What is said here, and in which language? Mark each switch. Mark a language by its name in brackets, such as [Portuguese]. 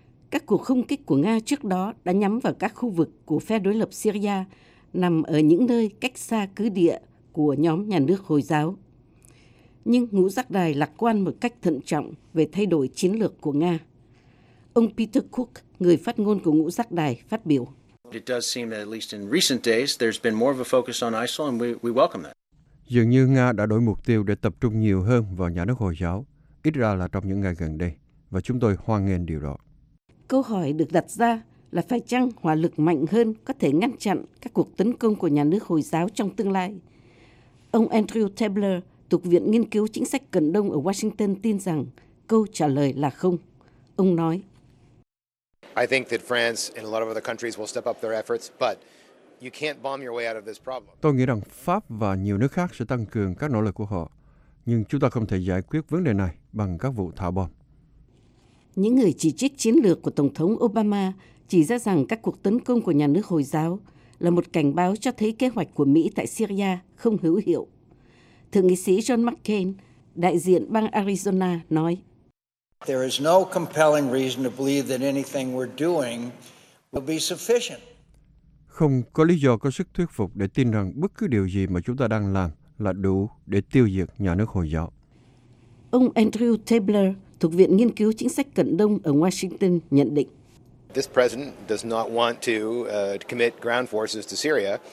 [Vietnamese] Các cuộc không kích của Nga trước đó đã nhắm vào các khu vực của phe đối lập Syria nằm ở những nơi cách xa cứ địa của nhóm nhà nước Hồi giáo. Nhưng Ngũ Giác Đài lạc quan một cách thận trọng về thay đổi chiến lược của Nga. Ông Peter Cook, người phát ngôn của Ngũ Giác Đài, phát biểu. [English] It does seem that at least in recent days there's been more of a focus on ISIL and we welcome that. [Vietnamese] Dường như Nga đã đổi mục tiêu để tập trung nhiều hơn vào nhà nước Hồi giáo, ít ra là trong những ngày gần đây, và chúng tôi hoan nghênh điều đó. Câu hỏi được đặt ra là phải chăng hỏa lực mạnh hơn có thể ngăn chặn các cuộc tấn công của nhà nước Hồi giáo trong tương lai? Ông Andrew Tabler thuộc Viện Nghiên cứu Chính sách Cận Đông ở Washington tin rằng câu trả lời là không. Ông nói, [English] I think that France and a lot of other countries will step up their efforts, but you can't bomb your way out of this problem. [Vietnamese] Tôi nghĩ rằng Pháp và nhiều nước khác sẽ tăng cường các nỗ lực của họ, nhưng chúng ta không thể giải quyết vấn đề này bằng các vụ thả bom. Những người chỉ trích chiến lược của Tổng thống Obama chỉ ra rằng các cuộc tấn công của nhà nước Hồi giáo là một cảnh báo cho thấy kế hoạch của Mỹ tại Syria không hữu hiệu. Thượng nghị sĩ John McCain, đại diện bang Arizona, nói, [English] There is no compelling reason to believe that anything we're doing will be sufficient. [Vietnamese] Không có lý do có sức thuyết phục để tin rằng bất cứ điều gì mà chúng ta đang làm là đủ để tiêu diệt nhà nước Hồi giáo. Ông Andrew Tabler thuộc Viện Nghiên cứu Chính sách Cận Đông ở Washington nhận định. [English] This president does not want to commit ground forces to Syria.